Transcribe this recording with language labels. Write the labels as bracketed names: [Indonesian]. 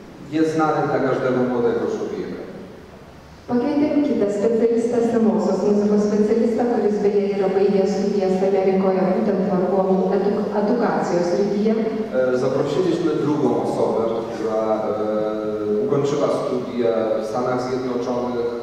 [Polish] Jest znany dla każdego młodego człowieka. [Lithuanian] Pakvietėm kitą specjalistę senosios muzikos specjalistę, kuris beje yra baigęs studijas Amerikoje, būtent vargonų edukacijos srityje. [Polish] Zaprosiliśmy drugą osobę, która ukończyła studia w Stanach Zjednoczonych,